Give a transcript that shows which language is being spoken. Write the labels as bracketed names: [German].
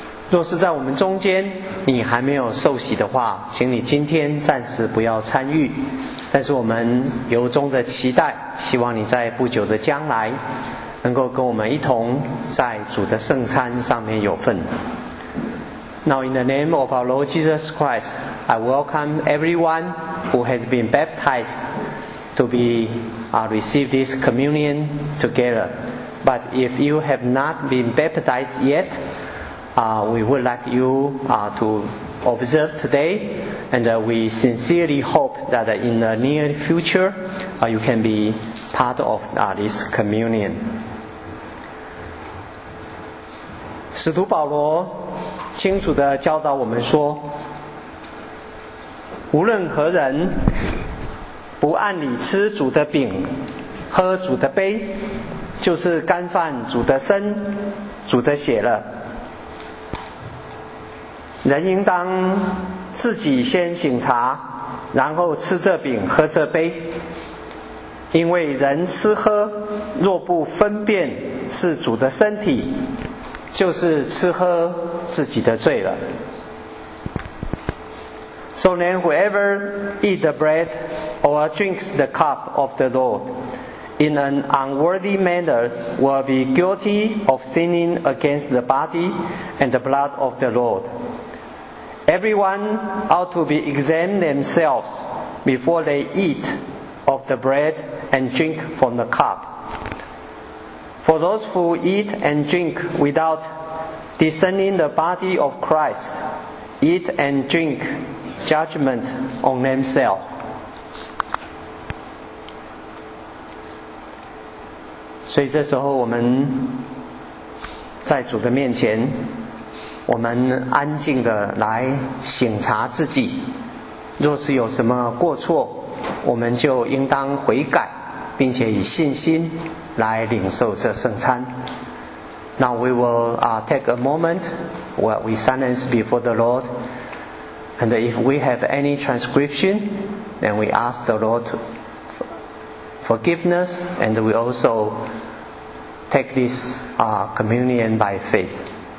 [Chinese] 若是在我们中间你还没有受洗的话，请你今天暂时不要参与，但是我们由衷的期待，希望你在不久的将来能够跟我们一同在主的圣餐上面有份。 [English] Now in the name of our Lord Jesus Christ, I welcome everyone who has been baptized to be, receive this communion together. But if you have not been baptized yet, we would like you, to observe today, and we sincerely hope that in the near future, you can be part of, this communion. [Chinese] 使徒保罗清楚地教导我们说，无论何人不按理吃主的饼喝主的杯，就是干犯主的身主的血了。人应当自己先醒察，然后吃这饼喝这杯，因为人吃喝若不分辨是主的身体，就是吃喝自己的罪了。 [English] So then whoever eat the bread or drinks the cup of the Lord in an unworthy manner will be guilty of sinning against the body and the blood of the Lord. Everyone ought to be examine themselves before they eat of the bread and drink from the cup. For those who eat and drink without discerning the body of Christ, eat and drink judgment on themselves. [Chinese] 所以这时候我们在主的面前，我们安静地来省察自己，若是有什么过错，我们就应当悔改，并且以信心来领受这圣餐。 [English] Now we will take a moment where we silence before the Lord, and if we have any transgression, then we ask the Lord forgiveness, and we also take this communion by faith.